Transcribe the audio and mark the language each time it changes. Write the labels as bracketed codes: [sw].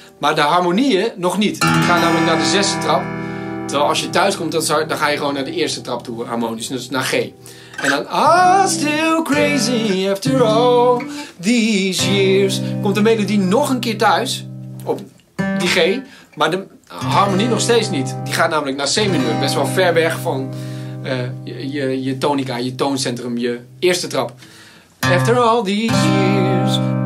[nl] Maar de harmonieën nog niet. Die gaan namelijk naar de zesde trap. Terwijl als je thuis komt, dan ga je gewoon naar de eerste trap toe harmonisch. Dus naar G. En dan [en] I'm still crazy after all these years. [nl] Komt de melodie nog een keer thuis. Op die G. Maar de harmonie nog steeds niet. Die gaat namelijk naar C mineur. Best wel ver weg van je tonica, je tooncentrum, je eerste trap. [en] After all these years.